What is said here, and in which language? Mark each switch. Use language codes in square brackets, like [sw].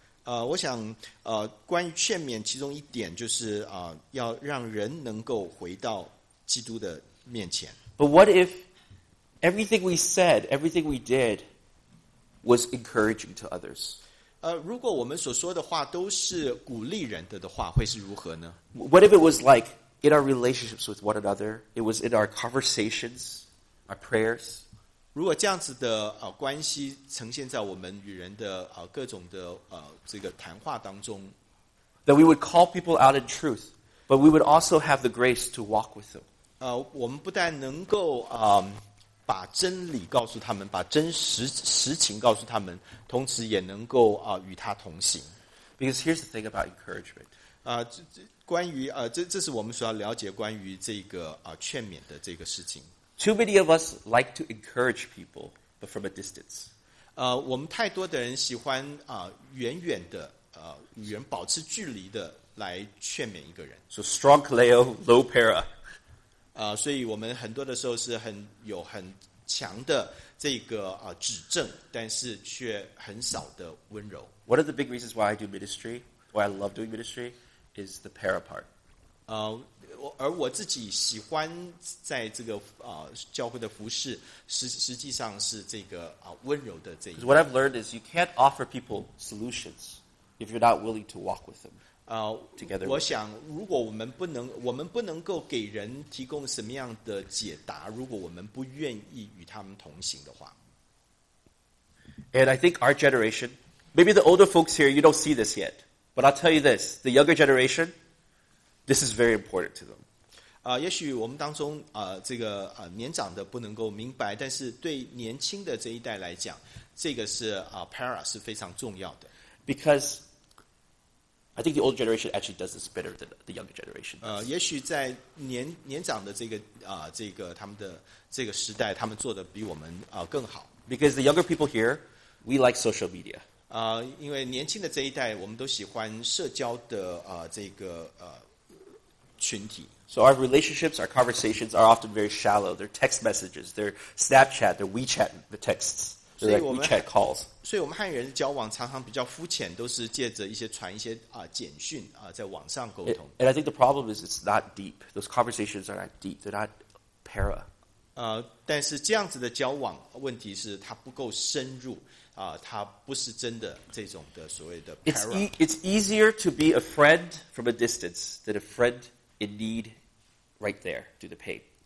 [zh] 我想关于劝勉，其中一点就是要让人能够回到基督的面前。 [en] But what if everything we said, everything we did, was encouraging to others? [zh] 如果我们所说的话都是鼓励人的话，会是如何呢？ [en] What if it was like in our relationships with one another? It was in our conversations, our prayers. [zh] 如果这样子的、关系呈现在我们与人的、各种的、这个谈话当中， [en] that we would call people out in truth, but we would also have the grace to walk with them. [zh] 我们不但能够、把真理告诉他们，把真实情告诉他们，同时也能够、与他同行。 [en] Because here's the thing about encouragement. [zh] 关于、这是我们所要了解关于这个、劝勉的这个事情。 [en] Too many of us like to encourage people, but from a distance. [zh] 我们太多的人喜欢、远远的、与人保持距离的来劝勉一个人。 [en] So strong kaleo, low para. [zh] 所以我们很多的时候是很有很强的这个、指正，但是却很少的温柔。 [en] One of the big reasons why I do ministry, why I love doing ministry, is the para part. [zh] 而我自己喜欢在这个、教会的服事，实际上是这个、温柔的这一。 [en] Because what I've learned is you can't offer people solutions if you're not willing to walk with them. [zh] 我想如果我们不能够给人提供什么样的解答，如果我们不愿意与他们同行的话。 [en] And I think our generation, maybe the older folks here, you don't see this yet, but I'll tell you this, the younger generation, this is very important to them. [zh] 也许我们当中、这个、年长的不能够明白，但是对年轻的这一代来讲，这个是、para 是非常重要的。 [en] BecauseI think the older generation actually does this better than the younger generation. [zh] 也许在年长的这个啊、这个他们的这个时代，他们做的比我们啊、更好。 [en] Because the younger people here, we like social media. [zh] 因为年轻的这一代，我们都喜欢社交的啊、这个群体。 [en] So our relationships, our conversations are often very shallow. They're text messages, they're Snapchat, they're WeChat, the texts. [zh] 所以我们汉人的交往常常比较肤浅，都是借着一些传一些、简讯、在网上沟通。 [en] And I think the problem is it's not deep. Those conversations are not deep. They're not para. [zh] 但是这样子的交往问题是它不够深入，他不是真的这种的所谓的 [en] It's easier to be a friend from a distance than a friend in need right there to the pain.